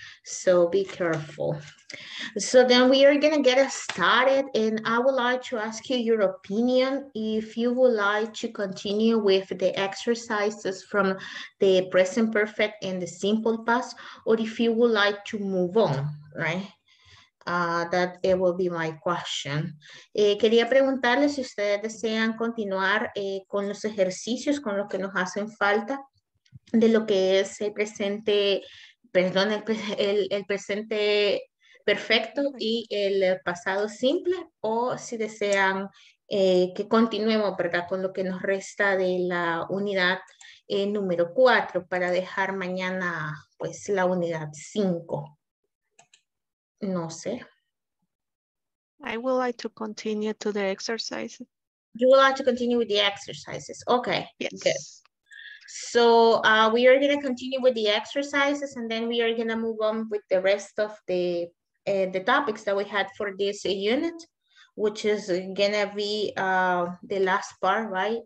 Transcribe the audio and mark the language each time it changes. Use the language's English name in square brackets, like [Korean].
[English] So be careful. So then we are gonna get started, and I would like to ask you your opinion if you would like to continue with the exercises from the present perfect and the simple past, or if you would like to move on, right? That it will be my question. [Spanish] Quería preguntarle si ustedes desean continuar con los ejercicios, con lo que nos hacen falta de lo que es el presente, perdón, el presente perfecto y el pasado simple, o si desean que continuemos, ¿verdad?, con lo que nos resta de la unidad número 4 para dejar mañana, pues, la unidad 5. No sé. [English] I would like to continue to the exercises. You would like to continue with the exercises. Okay. Yes. Good. So we are going to continue with the exercises, and then we are going to move on with the rest of the topics that we had for this unit, which is going to be the last part, right?